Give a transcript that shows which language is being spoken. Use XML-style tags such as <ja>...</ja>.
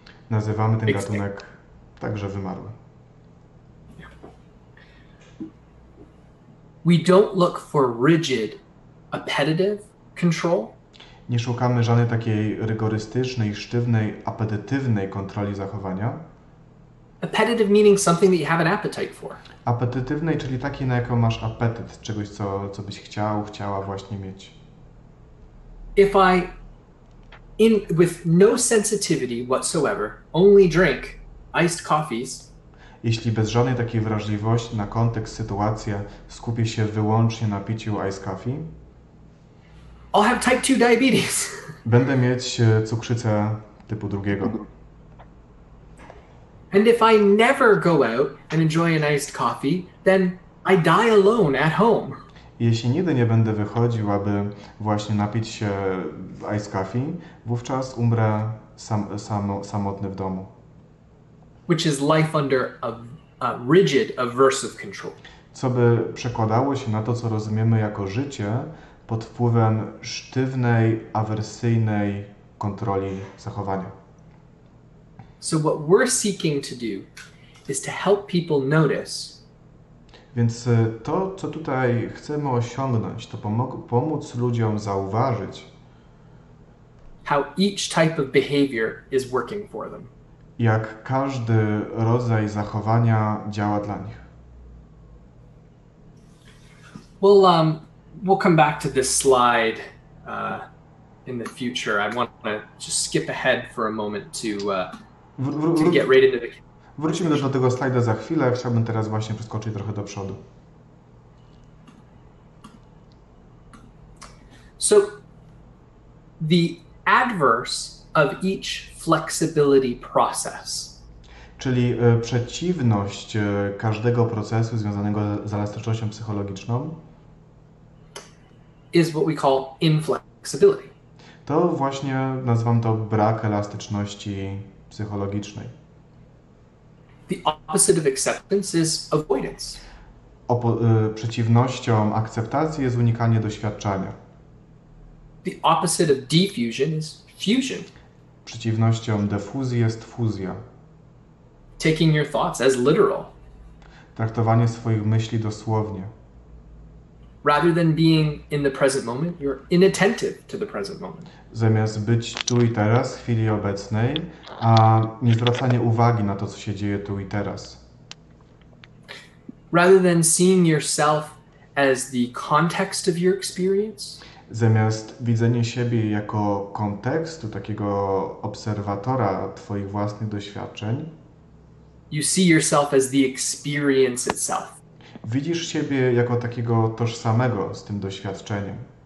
<pl>Nazywamy ten gatunek także wymarły.</pl> <en>We don't look for rigid, appetitive control.</en> <pl>Nie szukamy żadnej takiej rygorystycznej, sztywnej, apetytywnej kontroli zachowania.</pl> <en>Appetitive meaning something that you have an appetite for.</en> <pl>Apetytywnej, czyli takiej, na jaką masz apetyt, czegoś, co byś chciał, chciała właśnie mieć.</pl> <en>If I, with no sensitivity whatsoever, only drink iced coffees.</en> <pl>Jeśli bez żadnej takiej wrażliwości na kontekst, sytuację, skupię się wyłącznie na piciu</pl> <en>iced coffee. I'll have type 2 diabetes.</en> <pl>Będę mieć cukrzycę typu drugiego.</pl> <en>And if I never go out and enjoy an iced coffee, then I die alone at home.</en> <pl>Jeśli nigdy nie będę wychodził, aby właśnie napić się</pl> <en>iced coffee,</en> <pl>wówczas umrę samotny w domu.</pl> <en>Which is life under a rigid aversive control.</en> <pl>Co by przekładało się na to, co rozumiemy jako życie pod wpływem sztywnej, awersyjnej kontroli zachowania.</pl> <en>So what we're seeking to do is to help people notice.</en> <pl>Więc to, co tutaj chcemy osiągnąć, to pomóc ludziom zauważyć,</pl> <en>how each type of behavior is working for them.</en> <pl>Jak każdy rodzaj zachowania działa dla nich.</pl> <en>We'll come back to this slide in the future. I want to just skip ahead for a moment to get right into the...</en> <pl>Wrócimy też do tego slajda za chwilę. Chciałbym teraz właśnie przeskoczyć trochę do przodu.</pl> <en>So the adverse of each flexibility process.</en> <pl>Czyli przeciwność każdego procesu związanego z elastycznością psychologiczną</pl> <en>is what we call inflexibility.</en> <pl>To właśnie nazywam to brak elastyczności psychologicznej.</pl> <en>The opposite of acceptance is avoidance.</en> <pl>Przeciwnością akceptacji jest unikanie doświadczania.</pl> <en>The opposite of diffusion is fusion.</en> <pl>Przeciwnością defuzji jest fuzja.</pl> <en>Taking your thoughts as literal.</en> <pl>Traktowanie swoich myśli dosłownie.</pl> <en>Rather than being in the present moment, you're inattentive to the present moment.</en> <pl>Zamiast być tu i teraz, w chwili obecnej, a nie zwracanie uwagi na to, co się dzieje tu i teraz.</pl> <en>Rather than seeing yourself as the context of your experience.</en> <pl>Zamiast widzenie siebie jako kontekstu, takiego obserwatora twoich własnych doświadczeń.</pl> <en>You see yourself as the experience itself.</en> <pl>Widzisz siebie jako takiego tożsamego z tym doświadczeniem.</pl>